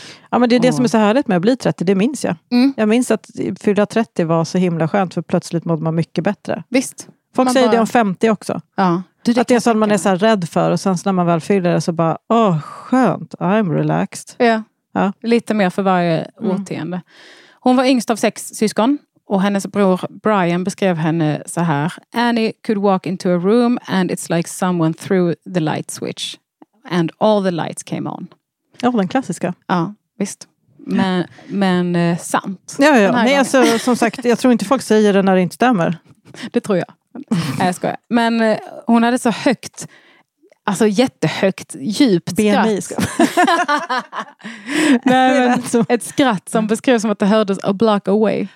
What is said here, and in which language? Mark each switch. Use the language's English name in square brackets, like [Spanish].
[Swedish] Ja, men det är det som är så härligt med att bli 30, det minns jag. Mm. Jag minns att fylla 30 var så himla skönt, för plötsligt mådde man mycket bättre. Visst. Folk man säger bara det om 50 också. Ja. Du, det att det är så att man är så här rädd för, och sen så när man väl fyller det så bara, åh, skönt, [English] I'm relaxed. [Swedish] Ja, ja. Lite mer för varje åtgärde. Hon var yngst av 6 syskon. Och hennes bror Brian beskrev henne så här: [English] Annie could walk into a room and it's like someone threw the light switch and all the lights came on. [Swedish] Ja, den klassiska. Ja, visst. Men, sant. Ja, ja. Nej, alltså, som sagt, jag tror inte folk säger det när det inte stämmer. Det tror jag. Nej, jag skojar. Men hon hade så högt, alltså jättehögt, djupt skratt. Nej, men ett skratt som beskrevs som att det hördes [English] a block away.